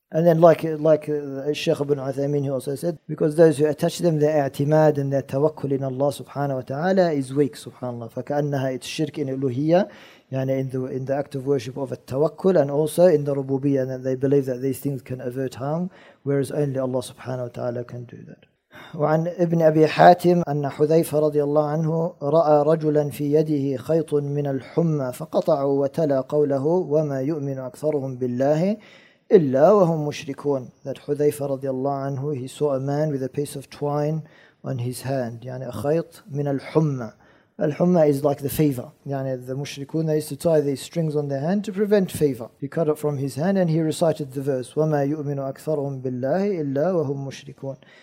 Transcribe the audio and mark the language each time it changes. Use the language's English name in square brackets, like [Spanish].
[English] And then like Shaykh Ibn Uthaymeen, he also said, because those who attach them, their i'timad and their tawakkul in Allah subhanahu wa ta'ala is weak, subhanAllah. فَكَأَنَّهَا it's shirk in iluhiyya, yani in the act of worship of a tawakkul, and also in the rububiyya, and that they believe that these things can avert harm, whereas only Allah subhanahu wa ta'ala can do that. [Arabic] وعن ابن أبي حاتم أن حذيفة رضي الله عنه رأى رجلا في يده خيط من الحمى فقطعوا وتلا قوله وما يؤمن أكثرهم بالله إلا وهم مشركون. [English] That حذيفة رضي الله عنه, he saw a man with a piece of twine on his hand, يعني a [Arabic] خيط من الحمى. [English] الحمى is like the fever, يعني the مشركون, they used to tie these strings on their hand to prevent fever. He cut it from his hand and he recited the verse [Arabic] وما يؤمن أكثرهم بالله إلا وهم مشركون.